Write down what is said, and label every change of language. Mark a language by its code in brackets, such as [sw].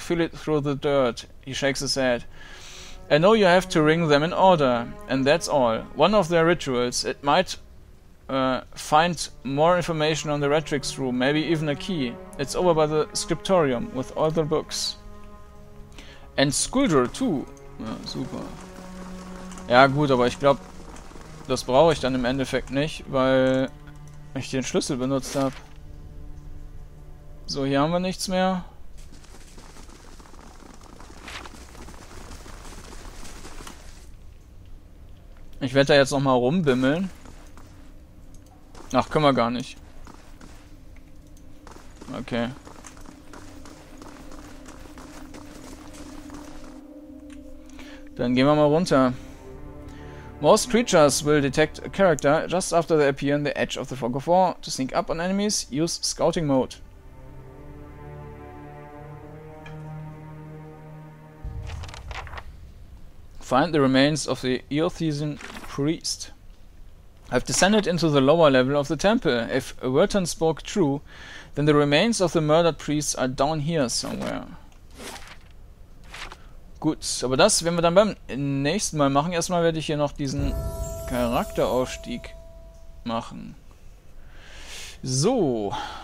[en] Feel it through the dirt. He shakes his head. I know you have to ring them in order, and that's all. One of their rituals. It might find more information on the Retrix room, maybe even a key. It's over by the scriptorium with all the books. And Skuldur too. [de] Ja, super. Ja gut, aber ich glaube, das brauche ich dann im Endeffekt nicht, weil ich den Schlüssel benutzt habe. So, hier haben wir nichts mehr. Ich werde da jetzt nochmal rumbimmeln. Ach, können wir gar nicht. Okay. Dann gehen wir mal runter. [en] Most creatures will detect a character just after they appear on the edge of the fog of war. To sneak up on enemies, use scouting mode. Find the remains of the Eothesian priest. I've descended into the lower level of the temple. If Wilton spoke true, then the remains of the murdered priests are down here somewhere. [de] Gut, aber das werden wir dann beim nächsten Mal machen. Erstmal werde ich hier noch diesen Charakteraufstieg machen. So.